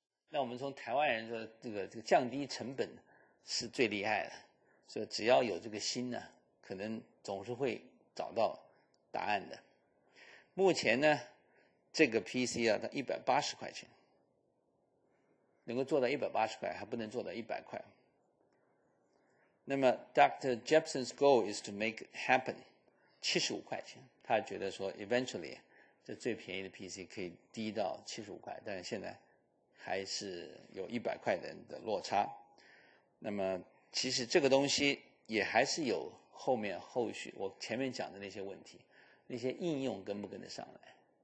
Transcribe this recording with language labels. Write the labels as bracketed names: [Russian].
[Chinese] 那我们从台湾人的这个降低成本是最厉害的，所以只要有这个心呢，可能总是会找到答案的。目前呢，这个 PC 啊，它180块钱，能够做到180块，还不能做到100块。那么 Dr. [English] Jepson's goal is to make it happen, [Chinese] 75块钱。他觉得说 [English] eventually, [Chinese] 这最便宜的 PC 可以低到75块，但是现在还是有100块人的落差。那么其实这个东西也还是有后面后续，我前面讲的那些问题，那些应用跟不跟得上来。